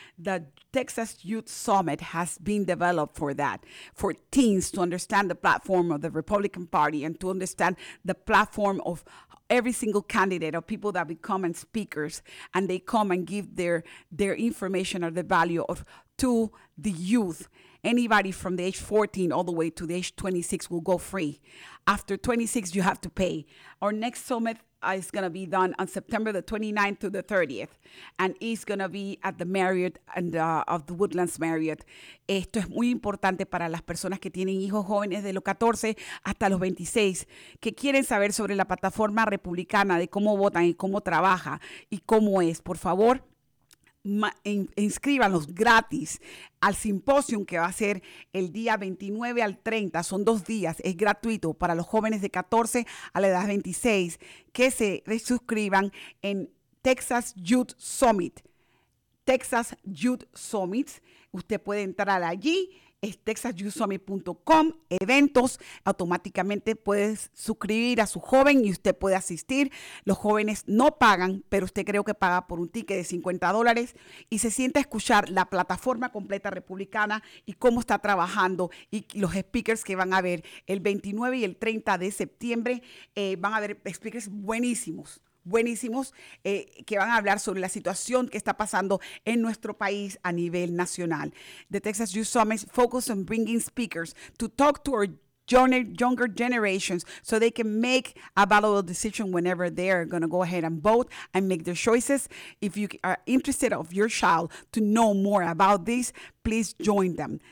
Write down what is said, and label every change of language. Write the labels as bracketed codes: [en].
[en] The Texas Youth Summit has been developed for that, for teens to understand the platform of the Republican Party and to understand the platform of every single candidate, or people that become and speakers, and they come and give their information or the value of to the youth. Anybody from the age 14 all the way to the age 26 will go free. After 26, you have to pay. Our next summit is going to be done on September the 29th to the 30th, and it's going to be at the Marriott and of the Woodlands Marriott. [es] Esto es muy importante para las personas que tienen hijos jóvenes de los 14 hasta los 26, que quieren saber sobre la plataforma republicana, de cómo votan y cómo trabaja y cómo es. Por favor, inscríbanos gratis al simposium que va a ser el día 29 al 30. Son dos días, es gratuito para los jóvenes de 14 a la edad 26, que se suscriban en Texas Youth Summit. Texas Youth Summit. Usted puede entrar allí es texasyouthsummit.com, eventos, automáticamente puedes suscribir a su joven y usted puede asistir. Los jóvenes no pagan, pero usted creo que paga por un ticket de $50 y se siente a escuchar la plataforma completa republicana y cómo está trabajando y los speakers que van a ver el 29 y el 30 de septiembre. Van a haber speakers buenísimos. Que van a hablar sobre la situación que está pasando en nuestro país a nivel nacional. [en] The Texas Youth Summit focuses on bringing speakers to talk to our younger generations so they can make a valuable decision whenever they're going to go ahead and vote and make their choices. If you are interested of your child to know more about this, please join them.